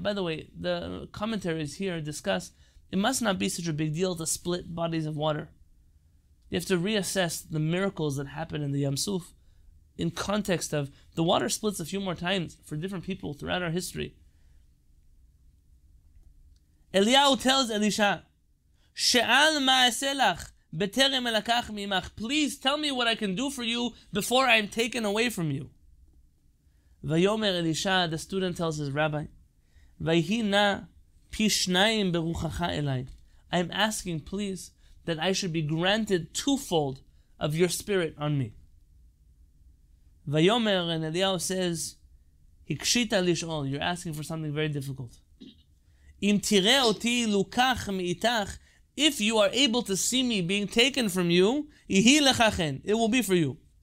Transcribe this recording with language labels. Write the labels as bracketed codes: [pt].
[en] By the way, the commentaries here discuss, it must not be such a big deal to split bodies of water. You have to reassess the miracles that happen in the Yam Suf in context of the water splits a few more times for different people throughout our history. Eliyahu tells Elisha, [he] שאל מה עשה לך? בטרם אלקח ממך, [en] please tell me what I can do for you before I am taken away from you. [he] ויאמר אלישה, [en] the student tells his rabbi, [he] ויהי נא פי שניים ברוחך אליי. [en] I am asking, please, that I should be granted twofold of your spirit on me. ויאמר, and Eliyahu says, [he] הקשית לשאול, [en] you're asking for something very difficult. [he] אם תראה אותי לוקח מאיתך, [en] if you are able to see me being taken from you, it will be for you.